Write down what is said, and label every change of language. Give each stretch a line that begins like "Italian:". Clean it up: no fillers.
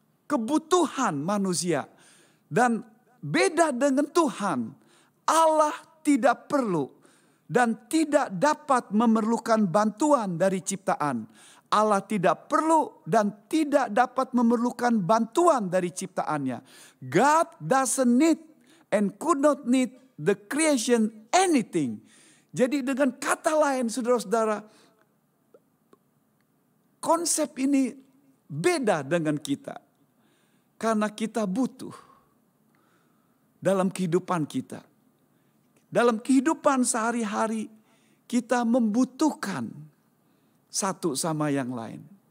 Indonesian: Kebutuhan manusia. Dan beda dengan Tuhan, Allah tidak perlu dan tidak dapat memerlukan bantuan dari ciptaan. Allah tidak perlu dan tidak dapat memerlukan bantuan dari ciptaannya.
English: God doesn't need and could not need the creation anything.
Indonesian: Jadi dengan kata lain, saudara-saudara, konsep ini beda dengan kita. Karena kita butuh dalam kehidupan kita. Dalam kehidupan sehari-hari, kita membutuhkan satu sama yang lain.